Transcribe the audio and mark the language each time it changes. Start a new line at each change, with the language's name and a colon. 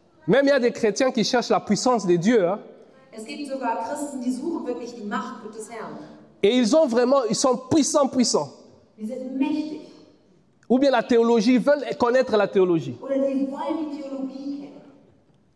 French: Même il y a des chrétiens qui cherchent la puissance de Dieu.
German: Es gibt sogar Christen, die suchen wirklich die Macht des Herrn.
French: Et ils ont vraiment, ils sont puissants, puissants. Ils sont
German: mächtig.
French: Ou bien la théologie, ils veulent connaître la théologie.
German: Oder die wollen die Theologie kennen.